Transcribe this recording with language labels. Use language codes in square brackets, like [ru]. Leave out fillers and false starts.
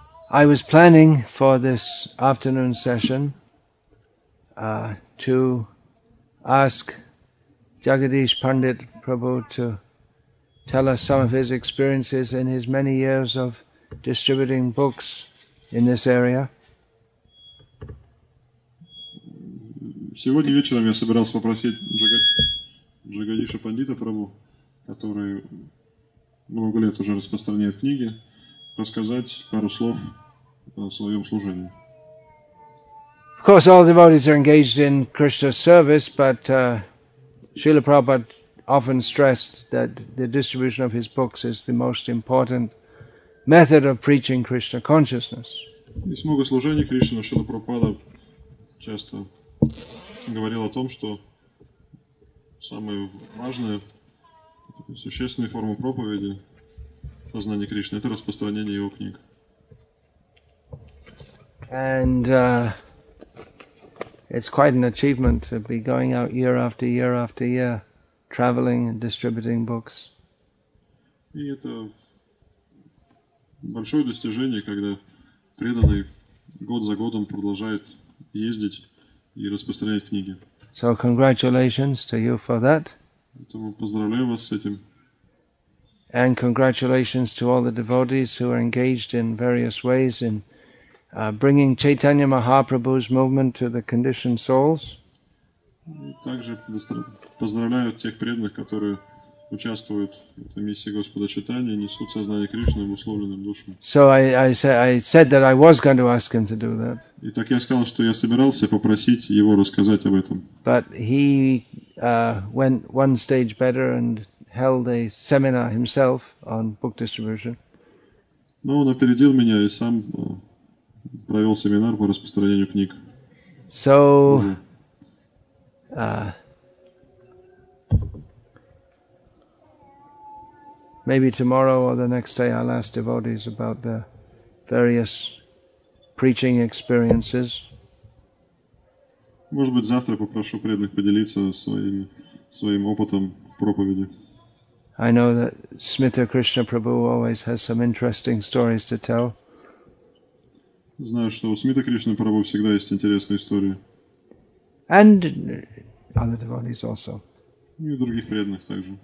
[en] I was planning for this afternoon session to ask Jagadish Pandit Prabhu to tell us some of his experiences in his many years of distributing books in this area. [ru] Сегодня вечером я собирался попросить Джагадиша Пандита Прабу, который много лет уже распространяет книги, рассказать пару слов о своем служении. [en] Of course, all devotees are engaged in Krishna's service, but Srila Prabhupada often stressed that the distribution of his books is the most important method of preaching Krishna consciousness. [ru] И много служений Кришны, Шрила Прабхупада часто говорил о том, что самые важные существенные формы проповеди сознания Кришны — это распространение его книг. [en] And it's quite an achievement to be going out year after year after year, traveling and distributing books. [ru] И это большое достижение, когда преданный год за годом продолжает ездить и распространять книги. [en] So congratulations to you for that. [ru] Поэтому поздравляю вас с этим. [en] And congratulations to all the devotees who are engaged in various ways in bringing Chaitanya Mahaprabhu's movement to the conditioned souls. [ru] И также поздравляю тех преданных, которые участвуют в этой миссии Господа Чайтаньи и несут сознание Кришны в условленном душе. [en] So I said that I was going to ask him to do that. [ru] И так я сказал, что я собирался попросить его рассказать об этом. [en] But he went one stage better and held a seminar himself on book distribution. [ru] Но он опередил меня и сам провел семинар по распространению книг. [en] So maybe tomorrow or the next day I'll ask devotees about their various preaching experiences. [ru] Может быть, завтра попрошу преданных поделиться своим опытом в проповеди. [en] I know that Smita Krishna Prabhu always has some interesting stories to tell. [ru] Знаю, что у Смита Кришны Прабху всегда есть интересные истории. [en] And other devotees also. [ru] И у других преданных также.